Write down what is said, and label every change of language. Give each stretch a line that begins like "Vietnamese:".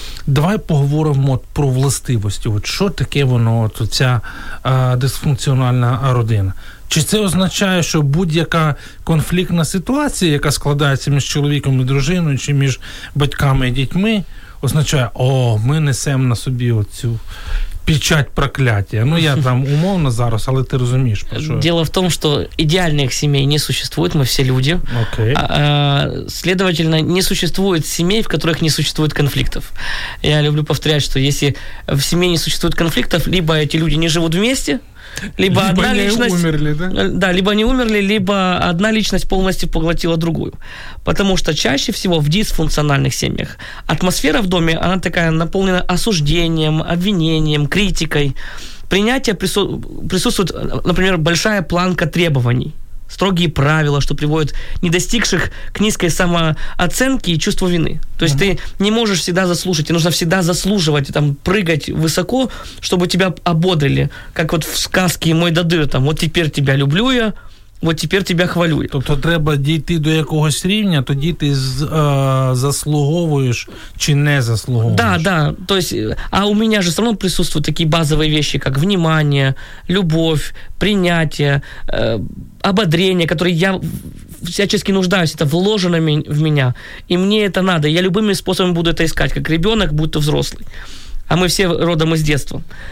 Ukrainian: Давай поговоримо про властивості. От що таке воно, от ця дисфункціональна родина? Чи це означає, що будь-яка конфліктна ситуація, яка складається між чоловіком і дружиною, чи між батьками і дітьми, означає, о, ми несемо на собі оцю печать прокляття. Ну, я там умовно зараз, але ти розумієш.
Russian: Дело в том, что идеальных семей не существует, мы все люди.
English: Okay.
Russian: Следовательно, не существует семей, в которых не существует конфликтов. Я люблю повторять, что если в семье не существует конфликтов, либо эти люди не живут вместе, либо одна они личность... умерли, да? Да, либо они умерли, либо одна личность полностью поглотила другую. Потому что чаще всего в дисфункциональных семьях атмосфера в доме, она такая наполнена осуждением, обвинением, критикой. Принятие присутствует, например, большая планка требований. Строгие правила, что приводит недостигших к низкой самооценке и чувству вины. То есть ты не можешь всегда заслужить, тебе нужно всегда заслуживать, там, прыгать высоко, чтобы тебя ободрили. Как вот в сказке «Мой Дадыр», там, «Вот теперь тебя люблю я, вот теперь тебя хвалю я».
Ukrainian: Тобто треба дійти до якогось рівня, тоді ти заслуговуєш чи не заслуговуєш.
Russian: Да, да. То есть, а у меня же все равно присутствуют такие базовые вещи, как внимание, любовь, принятие, ободрение, которое я всячески нуждаюсь, это вложено в меня, и мне это надо. Я любыми способами буду это искать, как ребенок, будь то взрослый. А мы все родом из детства.